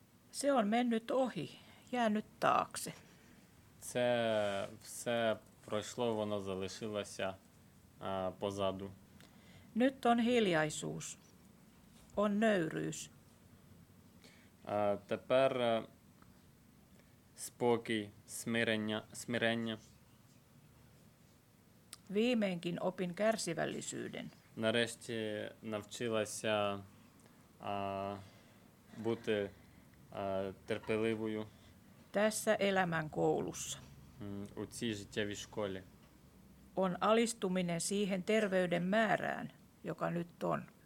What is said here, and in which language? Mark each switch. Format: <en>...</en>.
<fi>Se on mennyt ohi, jäänyt taakse.</fi> <uk>Це все пройшло, воно залишилося позаду.</uk> <fi>Nyt on hiljaisuus, on nöyryys.</fi> <uk>Тепер спокій, смирення.</uk> <fi>Viimeinkin opin kärsivällisyyden.</fi> <uk>Нарешті навчилася бути терпеливою.</uk> <fi>Tässä elämän koulussa.</fi> <uk>У цій життєвій школі.</uk> <fi>On alistuminen siihen terveyden määrään, joka nyt on.</fi>